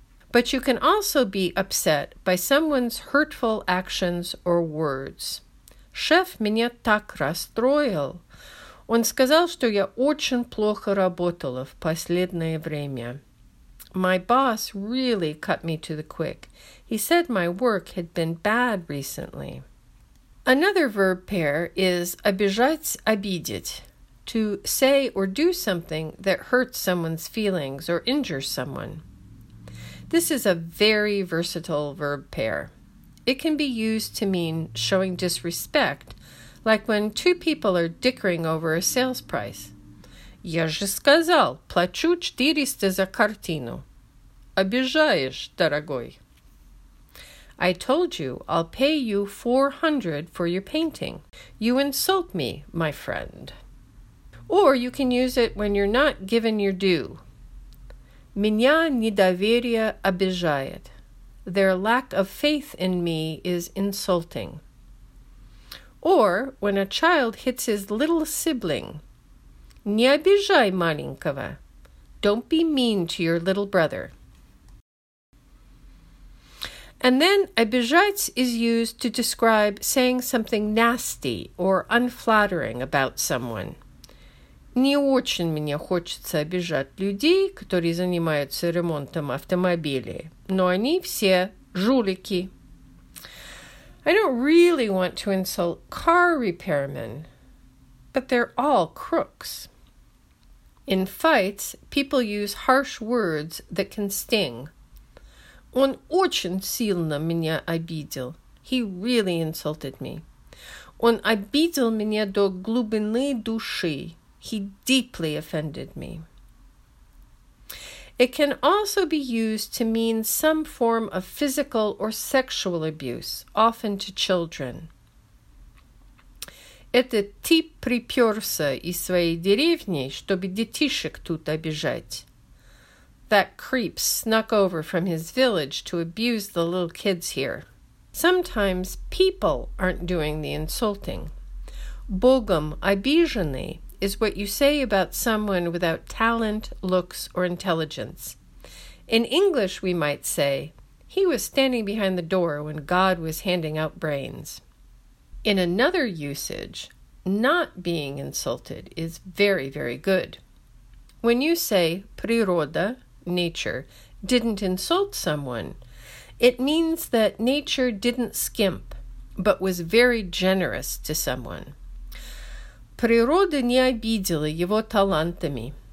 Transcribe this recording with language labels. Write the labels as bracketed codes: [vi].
[en] But you can also be upset by someone's hurtful actions or words. [ru] Шеф меня так расстроил. Он сказал, что я очень плохо работала в последнее время. [en] My boss really cut me to the quick. He said my work had been bad recently. Another verb pair is обижать, обидеть. To say or do something that hurts someone's feelings or injures someone. This is a very versatile verb pair. It can be used to mean showing disrespect, like when two people are dickering over a sales price. [ru] Я же сказал, плачу 400 за картину. Обижаешь, дорогой. [en] I told you I'll pay you 400 for your painting. You insult me, my friend. Or you can use it when you're not given your due. [ru] Меня недоверие обижает. [en] Their lack of faith in me is insulting. Or when a child hits his little sibling. [ru] Не обижай маленького. [en] Don't be mean to your little brother. And then обижать is used to describe saying something nasty or unflattering about someone. [ru] Не очень мне хочется обижать людей, которые занимаются ремонтом автомобилей, но они все жулики. [en] I don't really want to insult car repairmen, but they're all crooks. In fights, people use harsh words that can sting. [ru] Он очень сильно меня обидел. [en] He really insulted me. [ru] Он обидел меня до глубины души. [en] He deeply offended me. It can also be used to mean some form of physical or sexual abuse, often to children. [ru] Это тип припёрся из своей деревни, чтобы детишек тут обижать. [en] That creep snuck over from his village to abuse the little kids here. Sometimes people aren't doing the insulting. Богом обиженный is what you say about someone without talent, looks, or intelligence. In English, we might say, he was standing behind the door when God was handing out brains. In another usage, not being insulted is very, very good. When you say природа, nature, didn't insult someone, it means that nature didn't skimp, but was very generous to someone. [ru] Природа не обидела его талантами.